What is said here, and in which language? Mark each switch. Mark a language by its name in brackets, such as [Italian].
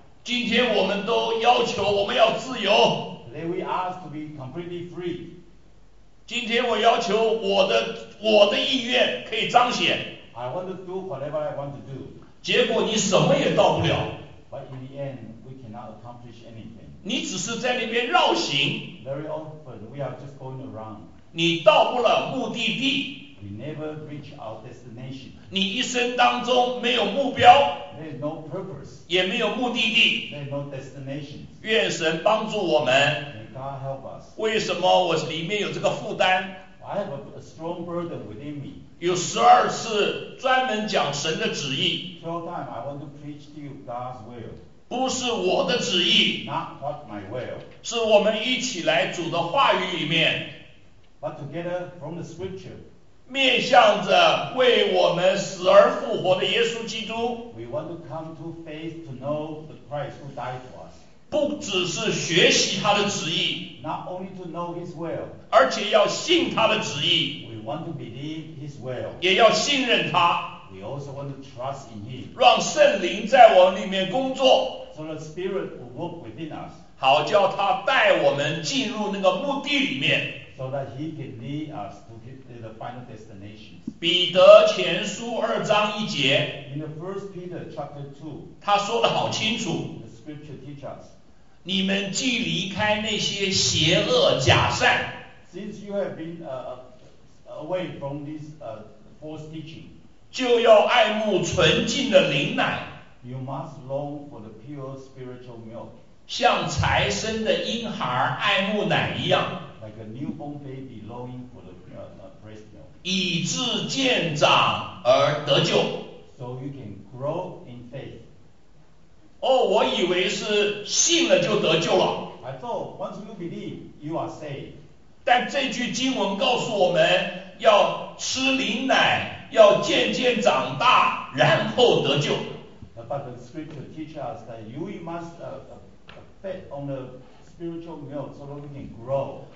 [Chinese] 今天我们都要求我们要自由。 [English] Today we ask to be completely free. [Chinese] 今天我要求我的意愿可以彰显。 [English] I want to do whatever I want to do. [Chinese] 结果你什么也到不了。 [English] But in the end, we cannot accomplish anything. [Chinese] 你只是在那边绕行。 [English] Very often, we are just going around. [Chinese] 你到不了目的地。 [English] We never reach our destination. [Chinese] 你一生当中没有目标， [English] There is no purpose. [Chinese] 也没有目的地， [English] There is no destination. [Chinese] 愿神帮助我们。 [English] May God help us. [Chinese] 为什么我里面有这个负担？ [English] I have a strong burden within me. [Chinese] 有十二次专门讲神的旨意。 [English] 12 times I want to preach to you God's will. [Chinese] 不是我的旨意， [English] Not what my will. [Chinese] 是我们一起来主的话语里面， [English] But together from the scripture. [Chinese] 面向着为我们死而复活的耶稣基督。 [English] We want to come to faith to know the Christ who died for us. [Chinese] 不只是学习他的旨意。 [English] Not only to know his will. [Chinese] 而且要信他的旨意。 [English] We want to believe his will. [Chinese] 也要信任他。 [English] We also want to trust in him. [Chinese] 让圣灵在我们里面工作。 [English] So the Spirit will work within us. [Chinese] 好叫他带我们进入那个目的里面。 [English] So that he can lead us to the final destination. [Chinese] 彼得前书二章一节。 [English] In the first Peter chapter two. [Chinese] 他说得好清楚。 [English] The scripture teach us. [Chinese] 你们既离开那些邪恶假善。 [English] Since you have been away from this false teaching. [Chinese] 就要爱慕纯净的灵奶。 [English] You must long for the pure spiritual milk. [Chinese] 像才生的婴孩爱慕奶一样。 [English] Like a newborn baby longing for the breast milk. [Chinese] 以致渐长而得救。 [English] So you can grow in faith. [Chinese] 哦，我以为是信了就得救了。 [English] I thought once you believe, you are saved. [Chinese] 但这句经文告诉我们，要吃灵奶，要渐渐长大，然后得救。 [English] But the scripture teaches us that you must feed on the spiritual milk so that we can grow.